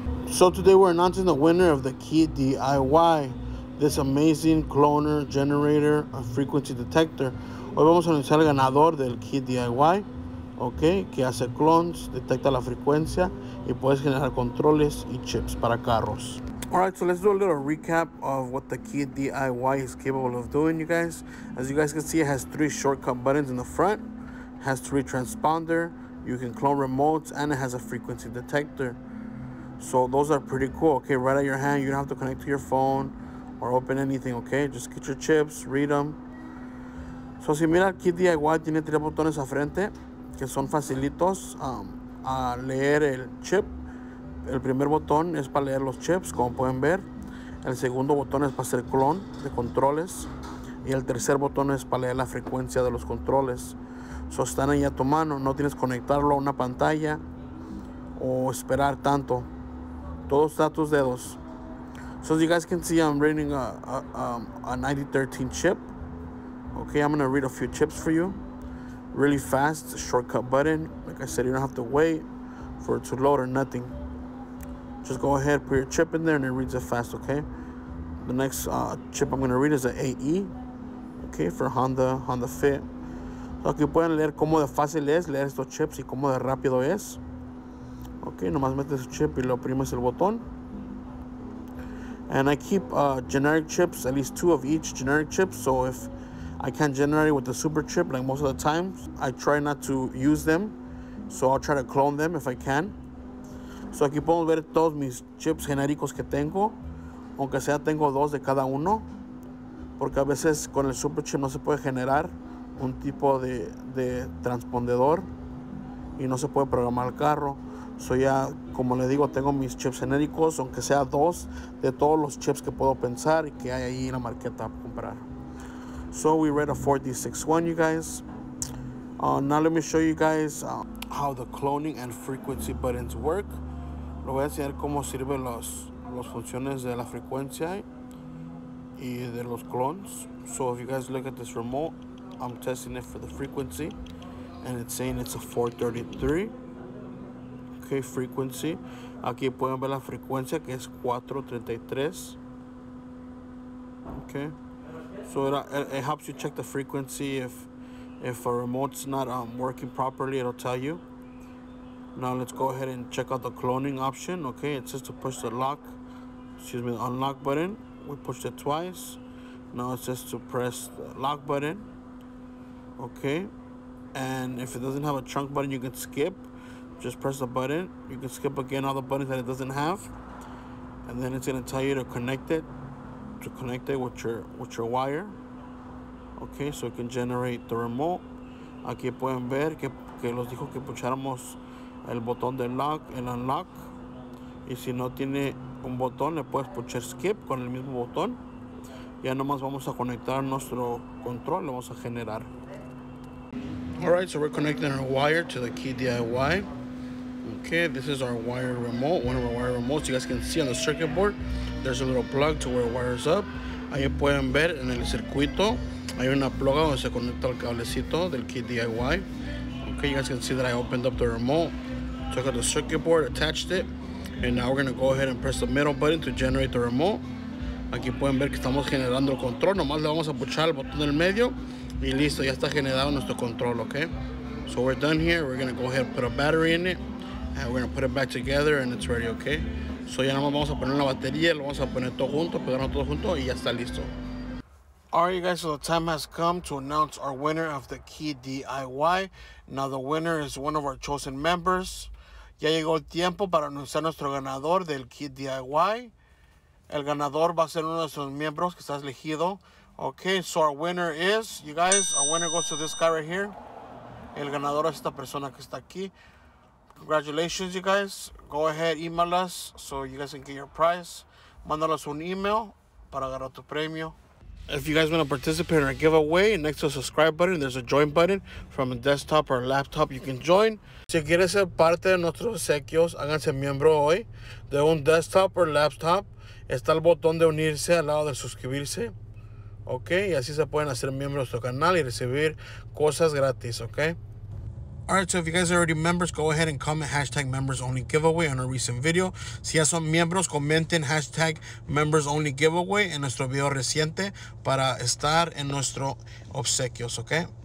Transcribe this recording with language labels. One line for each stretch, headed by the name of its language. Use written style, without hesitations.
English: So today we're announcing the winner of the Kia DIY, this amazing cloner generator and frequency detector.
Spanish: Hoy vamos a anunciar el ganador del Kia DIY, okay? Que hace clones, detecta la frecuencia y puedes generar controles y chips para carros.
English: Alright, so let's do a little recap of what the Kia DIY is capable of doing, you guys. As you guys can see, it has three shortcut buttons in the front, has three transponder, you can clone remotes, and it has a frequency detector. So those are pretty cool, okay? Right at your hand, you don't have to connect to your phone or open anything, okay? Just get your chips, read them.
Spanish: So si mira, Kia DIY tiene tres botones a frente, que son facilitos a leer el chip. El primer botón es para leer los chips, como pueden ver. El segundo botón es para hacer clon de controles. Y el tercer botón es para leer la frecuencia de los controles. So, están ahí a tu mano. No tienes que conectarlo a una pantalla o esperar tanto. Todo está a tus dedos.
English: So, as you guys can see, I'm reading a 9013 chip. Okay, I'm going to read a few chips for you. Really fast, shortcut button. Like I said, you don't have to wait for it to load or nothing. Just go ahead, put your chip in there, and it reads it fast, okay? The next chip I'm going to read is an AE, okay, for Honda Fit.
Spanish: So aquí pueden leer cómo de fácil es leer estos chips y cómo de rápido es. Okay, nomás metes el chip y lo oprimes el botón.
English: And I keep generic chips, at least two of each generic chip. So if I can't generate it with the super chip, like most of the time, I try not to use them. So I'll try to clone them if I can.
Spanish: So aquí podemos ver todos mis chips genéricos que tengo, aunque sea tengo dos de cada uno, porque a veces con el super chip no se puede generar un tipo de transpondedor y no se puede programar el carro. So ya, como le digo, tengo mis chips genéricos, aunque sea dos de todos los chips que puedo pensar y que hay ahí en la marqueta para comprar.
English: So we read a 4D61, you guys. Now let me show you guys how the cloning and frequency buttons work.
Spanish: Lo voy a enseñar cómo sirven las funciones de la frecuencia y de los clones.
English: So if you guys look at this remote, I'm testing it for the frequency. And it's saying it's a 433. Okay, frequency.
Spanish: Aquí pueden ver la frecuencia que es 433. Okay.
English: So it helps you check the frequency. If a remote's not working properly, it'll tell you. Now let's go ahead and check out the cloning option. Okay, it says to push the lock, excuse me, the unlock button. We pushed it twice. Now it says to press the lock button. Okay, and if it doesn't have a trunk button, you can skip. Just press the button. You can skip again all the buttons that it doesn't have. And then it's gonna tell you to connect it with your wire. Okay, so it can generate the remote.
Spanish: Aquí pueden ver que los dijo que pucháramos el botón de lock, el unlock, y si no tiene un botón le puedes puchar skip con el mismo botón. Ya nomás vamos a conectar nuestro control, lo vamos a generar.
English: Alright, so we're connecting our wire to the Kia DIY. Okay, this is our wire remote, one of our wire remotes. You guys can see on the circuit board there's a little plug to where it wires up.
Spanish: Ahí pueden ver en el circuito hay una pluga donde se conecta el cablecito del Kia DIY.
English: Okay, you guys can see that I opened up the remote, took out the circuit board, attached it, and now we're going to go ahead and press the middle button to generate the remote.
Spanish: Aquí pueden ver que estamos generando el control, nomás le vamos a puchar el botón del medio, y listo, ya está generado nuestro control, okay?
English: So we're done here, we're going to go ahead and put a battery in it, and we're going to put it back together, and it's ready, okay?
Spanish: So ya nomás vamos a poner la batería, lo vamos a poner todo junto, pegarlo todo junto, y ya está listo.
English: Alright, you guys, so the time has come to announce our winner of the Kia DIY. Now, the winner is one of our chosen members.
Spanish: Ya llegó el tiempo para anunciar nuestro ganador del Kia DIY. El ganador va a ser uno de nuestros miembros que estás elegido.
English: Okay, so our winner is, you guys, our winner goes to this guy right here.
Spanish: El ganador es esta persona que está aquí.
English: Congratulations, you guys. Go ahead, email us so you guys can get your prize.
Spanish: Mándalos un email para agarrar tu premio.
English: If you guys want to participate in our giveaway, next to the subscribe button, there's a join button from a desktop or a laptop. You can join.
Spanish: Si quieres ser parte de nuestros obsequios, háganse miembro hoy de un desktop
English: or laptop.
Spanish: está el botón de unirse al lado de suscribirse, ok, y así se pueden hacer miembros de nuestro canal y recibir cosas gratis, ok.
English: Alright, so if you guys are already members, go ahead and comment hashtag members only giveaway on a recent video.
Spanish: Si ya son miembros, comenten hashtag
English: members only giveaway
Spanish: en nuestro video reciente para estar en nuestro obsequios, ok.